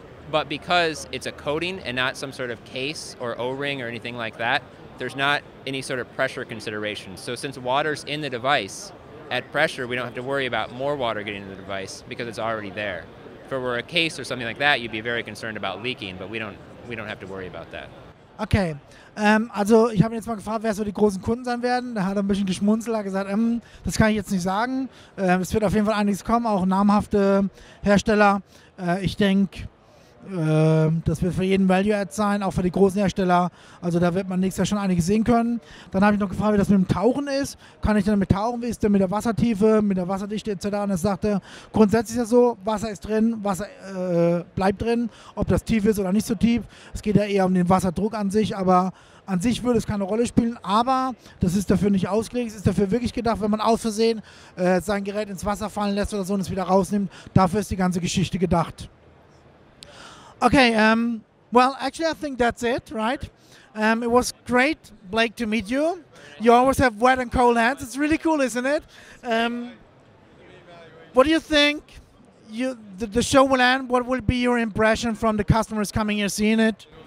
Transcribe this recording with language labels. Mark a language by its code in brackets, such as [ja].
[en] But because it's a coating and not some sort of case or O-ring or anything like that, there's not any sort of pressure consideration. So since water's in the device, at pressure, we don't have to worry about more water getting into the device because it's already there. If it were a case or something like that, you'd be very concerned about leaking, but we don't have to worry about that. [de] Okay, also ich habe ihn jetzt mal gefragt, wer so die großen Kunden sein werden. Da hat er ein bisschen geschmunzelt, hat gesagt, das kann ich jetzt nicht sagen. Es wird auf jeden Fall einiges kommen, auch namhafte Hersteller. Ich denke, das wird für jeden Value-Add sein, auch für die großen Hersteller. Also da wird man nächstes Jahr schon einiges sehen können. Dann habe ich noch gefragt, wie das mit dem Tauchen ist. Kann ich damit tauchen? Wie ist denn mit der Wassertiefe, mit der Wasserdichte etc.? Und er sagte, grundsätzlich ist ja so, Wasser ist drin, Wasser bleibt drin, ob das tief ist oder nicht so tief. Es geht ja eher um den Wasserdruck an sich, aber an sich würde es keine Rolle spielen. Aber das ist dafür nicht ausgelegt, es ist dafür wirklich gedacht, wenn man aus Versehen sein Gerät ins Wasser fallen lässt oder so und es wieder rausnimmt, dafür ist die ganze Geschichte gedacht. [en] Okay, well, actually, I think that's it, right? It was great, Blake, to meet you. You always have wet and cold hands. It's really cool, isn't it? What do you think the show will end? What will be your impression from the customers coming here, seeing it?